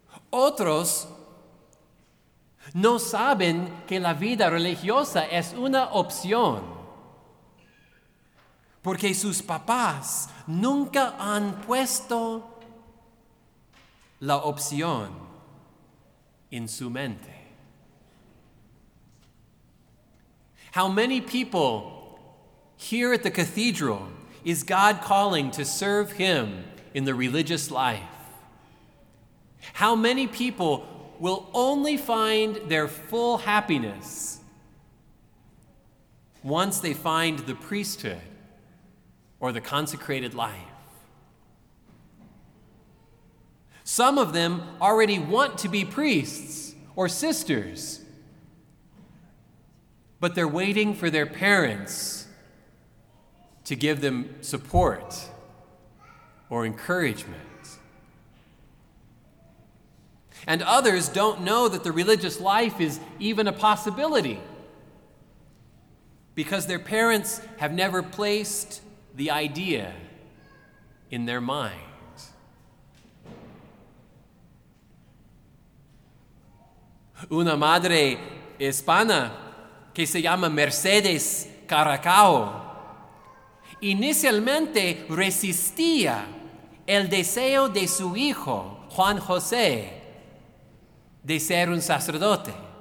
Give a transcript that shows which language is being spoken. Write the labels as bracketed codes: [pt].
[es] Otros no saben que la vida religiosa es una opción, porque sus papás nunca han puesto la opción en su mente. [en] How many people here at the cathedral is God calling to serve Him in the religious life? How many people will only find their full happiness once they find the priesthood or the consecrated life? Some of them already want to be priests or sisters, but they're waiting for their parents to give them support or encouragement. And others don't know that the religious life is even a possibility because their parents have never placed the idea in their mind. [es] Una madre hispana que se llama Mercedes Caracao inicialmente resistía el deseo de su hijo, Juan José, de ser un sacerdote.